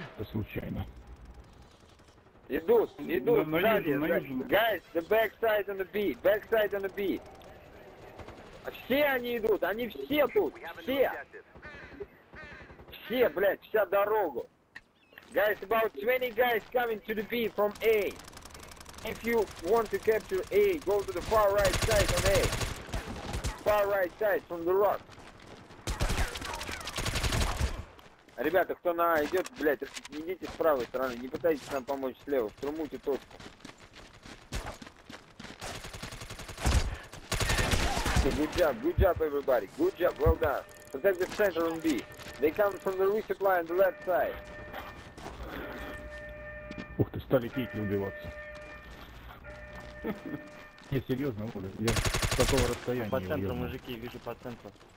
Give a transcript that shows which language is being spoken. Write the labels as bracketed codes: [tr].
[ru] Случайно. Идут, идут, сзади, [en] guys, the backside on the B, backside on the B. [ru] Все они идут, они все тут, все. Все, блядь, вся дорога. [en] Guys, about 20 guys coming to the B from A. If you want to capture A, go to the far right side on A. Far right side from the rock. [ru] Ребята, кто на А идет, блядь, идите с правой стороны, не пытайтесь нам помочь слева, втрумуйте точку. [en] Good job, good job everybody, good job, well done. Protect the center on B. They come from the resupply on the left side. [ru] Ух ты, стали кейки убиваться. Не, серьезно, я с такого расстояния. По центру, мужики, вижу по центру.